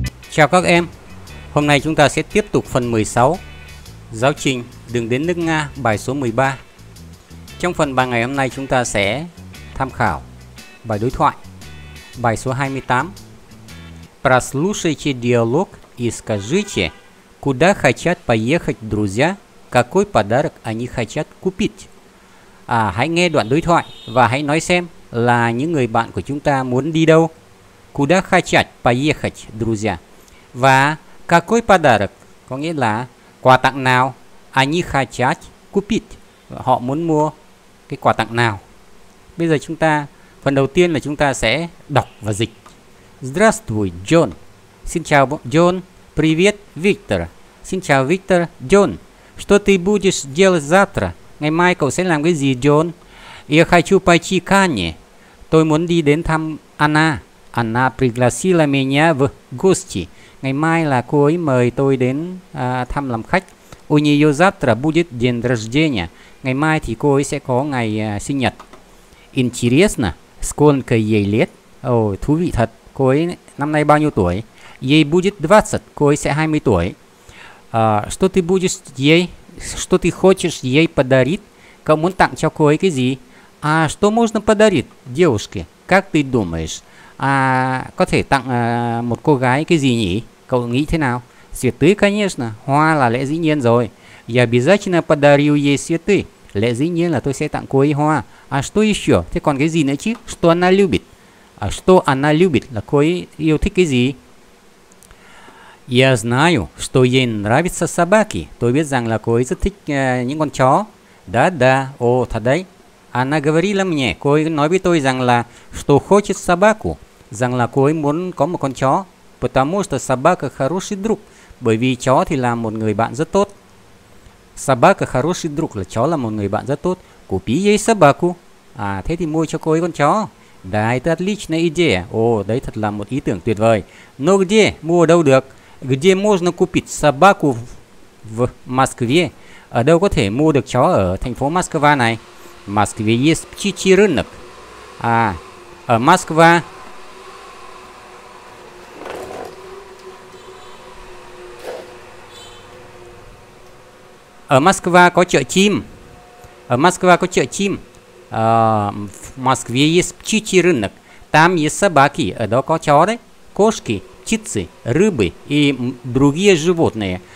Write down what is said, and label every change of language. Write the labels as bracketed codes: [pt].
[vi] Chào các em, hôm nay chúng ta sẽ tiếp tục phần 16, giáo trình đường đến nước Nga bài số 13. Trong phần bài ngày hôm nay chúng ta sẽ tham khảo bài đối thoại, bài số 28. [ru] Прослушайте диалог и скажите, куда хотят поехать друзья, какой подарок они хотят купить. [vi] Hãy nghe đoạn đối thoại và hãy nói xem là những người bạn của chúng ta muốn đi đâu. [ru] Куда хотят поехать друзья? [vi] Và [ru] какой подарок [vi] có nghĩa là quà tặng nào, [ru] они хотят купить, [vi] họ muốn mua cái quà tặng nào. Bây giờ chúng ta, phần đầu tiên là chúng ta sẽ đọc và dịch. [ru] Здравствуй, Джон. [vi] Xin chào Джон. [ru] Привет, Виктор. [vi] Xin chào Виктор. [ru] Джон, что ты будешь делать завтра? [vi] Ngày mai cậu sẽ làm cái gì, Джон? [ru] Я хочу пойти к Анне. [vi] Tôi muốn đi đến thăm Anna. [ru] Anna пригласила меня в гости. [vi] Ngày mai là cô ấy mời tôi đến thăm làm khách. [ru] У неё завтра будет день рождения. [vi] Ngày mai thì cô ấy sẽ có ngày sinh nhật. [ru] Интересно, сколько ей лет? [vi] Thú vị thật. Cô ấy năm nay bao nhiêu tuổi? [ru] Ей будет 20. [vi] Cô ấy sẽ 20 tuổi. [ru] Что ты будешь ей? Что ты хочешь ей подарить? [vi] Cậu muốn tặng cho cô ấy cái gì? [ru] А что можно подарить девушке? Как ты думаешь? [vi] Có thể tặng một cô gái cái gì nhỉ? Cậu nghĩ thế nào? [ru] Цветы, конечно. [vi] Hoa là lẽ dĩ nhiên rồi. [ru] Я обязательно подарю ей цветы. [vi] Lẽ dĩ nhiên là tôi sẽ tặng cô ấy hoa. [ru] А что еще? [vi] Thế còn cái gì nữa chứ? [ru] Что она любит? Что она любит? [vi] Là cô ấy yêu thích cái gì? [ru] Я знаю, что ей нравятся собаки. [vi] Tôi biết rằng là cô ấy rất thích những con chó. [ru] Да, да. [vi] Ồ, thật đấy. [ru] Она говорила мне, [vi] cô ấy nói với tôi rằng là [ru] что хочет собаку, [vi] rằng là cô ấy muốn có một con chó. [ru] Потому что собака хороший друг. [vi] Bởi vì chó thì là một người bạn rất tốt. [ru] Собака хороший друг, [vi] là chó là một người bạn rất tốt. [ru] Купи ей собаку. [vi] Thế thì mua cho cô ấy con chó. [ru] Да, это отличная идея. [vi] Ồ, đấy thật là một ý tưởng tuyệt vời. [ru] Но где? [vi] Mua đâu được? [ru] Где можно купить собаку в Москве? [vi] Ở đâu có thể mua được chó ở thành phố Moscow này? [ru] Москве есть птичий рынок. [vi] Ở Москва. Ở Москва có chợ chim. Ở Москва có chợ chim. [ru] В Москве есть птичий рынок. Там есть собаки. [vi] Ở đó có chó đấy. [ru] Кошки, птицы, рыбы и другие животные.